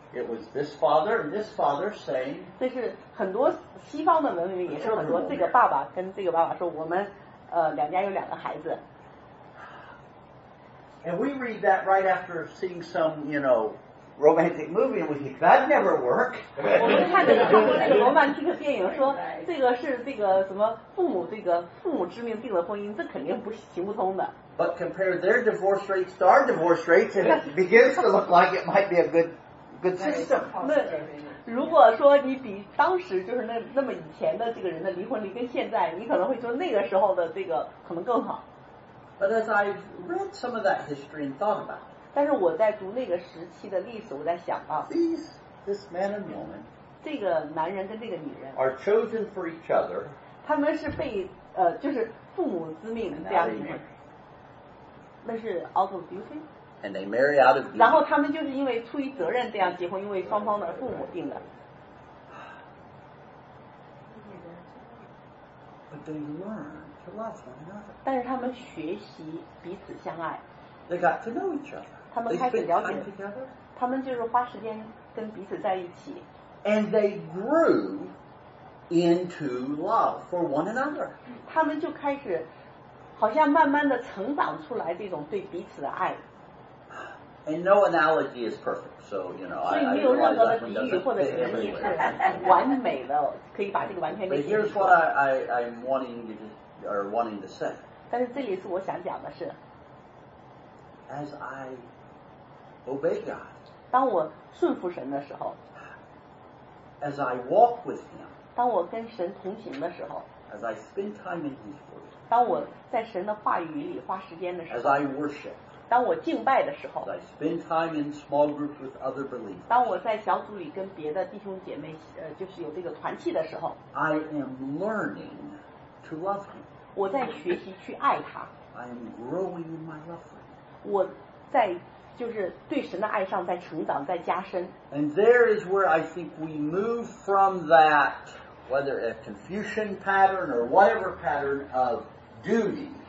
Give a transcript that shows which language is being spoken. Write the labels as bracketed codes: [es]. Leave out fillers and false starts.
[en] It was this father and this father saying. [zh] 这是很多西方的文明，也是很多这个爸爸跟这个爸爸说，我们两家有两个孩子。 [en] And we read that right after seeing some, you know. Romantic movie, and we think that never work. [zh] 我们看的这个罗曼蒂克电影，说这个是这个什么父母这个父母之命定了婚姻，这肯定不行不通的。 [en] But compare their divorce rates to our divorce rates, and it begins to look like it might be a good system. [zh] 那如果说你比当时就是那么以前的这个人的离婚率跟现在，你可能会说那个时候的这个可能更好。 [en] But as I've read some of that history and thought about. [zh] 但是我在读那个时期的历史，我在想啊 [en] this man and woman [zh] 这个男人跟这个女人 [en] are chosen for each other, [zh] 他们是被就是父母之命这样子，那是 [en] out of duty, and they marry out of duty, [zh] 然后他们就是因为出于责任这样结婚，因为双方的父母定的。 [en] But they learn to love one another, [zh] 但是他们学习彼此相爱。 [en] They got to know each other. [zh] 他们开始了解，他们就是花时间跟彼此在一起。 [en] And they grew into love for one another. [zh] 他们就开始好像慢慢的成长出来这种对彼此的爱。 [en] And no analogy is perfect, so you know, I don't know why that one doesn't fit everywhere. But here's what I'm wanting to say. [zh] 但是这里是我想讲的是 [en] As I obey God, [zh] 当我顺服神的时候 [en] As I walk with Him, [zh] 当我跟神同行的时候 [en] As I spend time in His Word, [zh] 当我在神的话语里花时间的时候 [en] As I worship, [zh] 当我敬拜的时候 [en] I spend time in small groups with other believers, [zh] 当我在小组里跟别的弟兄姐妹就是有这个团契的时候 [en] I am learning to love him. [zh] 我在学习去爱他 [en] I am growing in my love for him. [zh] 我在就是对神的爱上在成长在加深 [en] And there is where I think we move from that whether a Confucian pattern or whatever pattern of duty